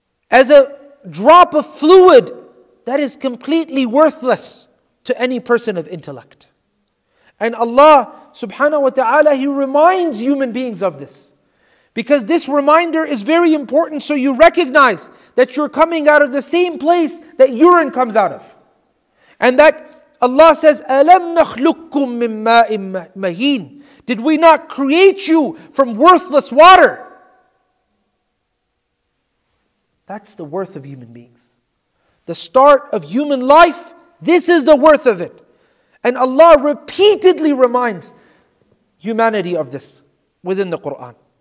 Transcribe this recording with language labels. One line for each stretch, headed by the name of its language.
English: As a drop of fluid that is completely worthless to any person of intellect. And Allah subhanahu wa ta'ala, He reminds human beings of this. Because this reminder is very important, so you recognize that you're coming out of the same place that urine comes out of. And that Allah says,
Arabic: أَلَمْ نَخْلُقْكُمْ مِنْ مَاءٍ مَهِينٍ.
English: Did we not create you from worthless water? That's the worth of human beings. The start of human life, this is the worth of it. And Allah repeatedly reminds humanity of this within the Quran.